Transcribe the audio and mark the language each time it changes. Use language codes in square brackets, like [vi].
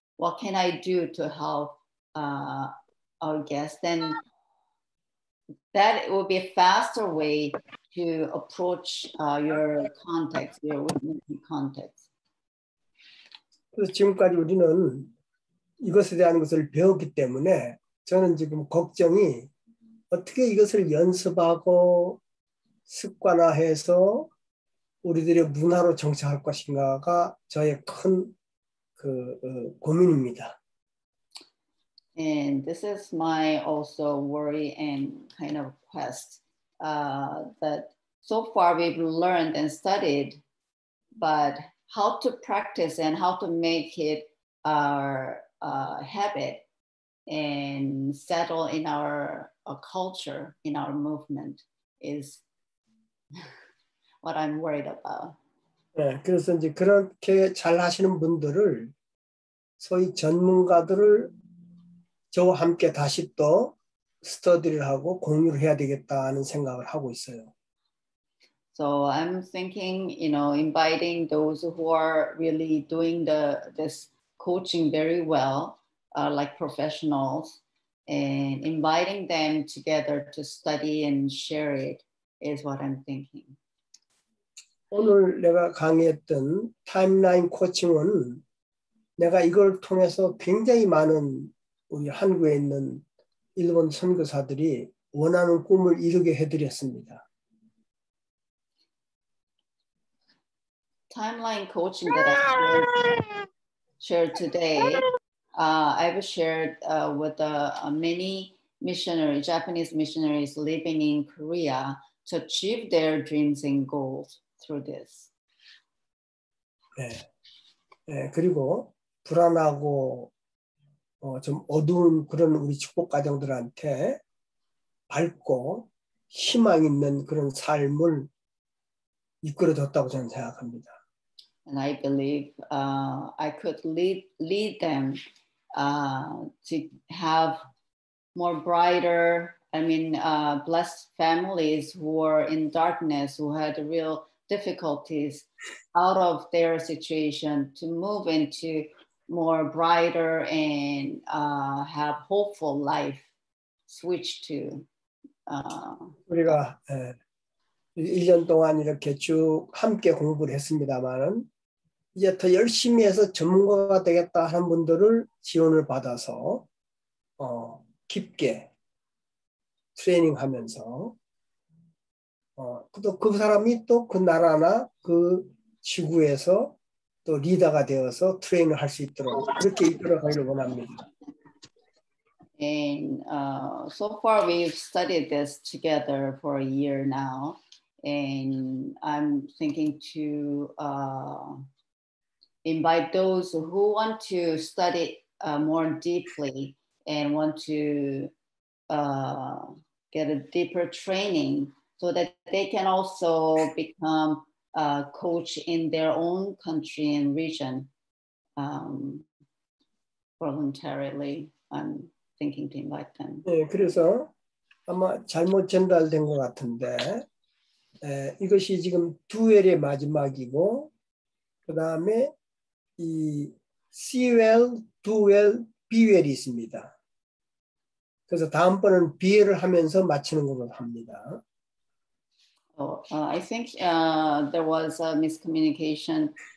[en] What can I do to help our guests? Then that will be a faster way to approach your context, your witnessing context. [ko] 그래서 지금까지 우리는 이것에 대한 것을 배웠기 때문에 저는 지금 걱정이 어떻게 이것을 연습하고 습관화해서 우리들의 문화로 정착할 것인가가 저의 큰 그 고민입니다. [en] And this is my also worry and kind of quest. That so far we've learned and studied, but how to practice and how to make it our habit and settle in our culture, in our movement is what I'm worried about. [ko] 네, 그래서 이제 그렇게 잘 하시는 분들을 소위 전문가들을 저와 함께 다시 또 스터디를 하고 공유를 해야 되겠다는 생각을 하고 있어요. [en] So I'm thinking, you know, inviting those who are really doing this coaching very well, like professionals, and inviting them together to study and share it is what I'm thinking. [ko] 오늘 내가 강의했던 타임라인 코칭은 내가 이걸 통해서 굉장히 많은 우리 한국에 있는 일본 선교사들이 원하는 꿈을 이루게 해드렸습니다. [en] Timeline coaching that I shared today I've shared with many missionaries, Japanese missionaries living in Korea to achieve their dreams and goals through this. [ko] 네. 네, 그리고 불안하고 좀 어두운 그런 우리 축복 가정들한테 밝고 희망 있는 그런 삶을 이끌어줬다고 저는 생각합니다. [en] And I believe I could lead them to have more brighter, blessed families who are in darkness, who had real difficulties out of their situation to move into more brighter and have hopeful life switch to. [ko] 우리가 1년 동안 이렇게 쭉 함께 공부를 했습니다만은 이제 더 열심히 해서 전문가가 되겠다 하는 분들을 지원을 받아서 깊게 트레이닝하면서 또 그 사람이 또 그 나라나 그 지구에서 또 리더가 되어서 트레이닝을 할 수 있도록 그렇게 이끌어가기를 원합니다. [en] And so far we've studied this together for a year now, and I'm thinking to invite those who want to study more deeply and want to get a deeper training so that they can also become a coach in their own country and region voluntarily. I'm thinking to invite them. [ko] 네, 그래서 아마 잘못 전달된 것 같은데 이것이 지금 듀엘의 마지막이고 그 다음에 이 C웰, 두웰, B웰이 있습니다. 그래서 다음번은 B웰을 하면서 마치는 것으로 합니다. [en] I think there was a miscommunication.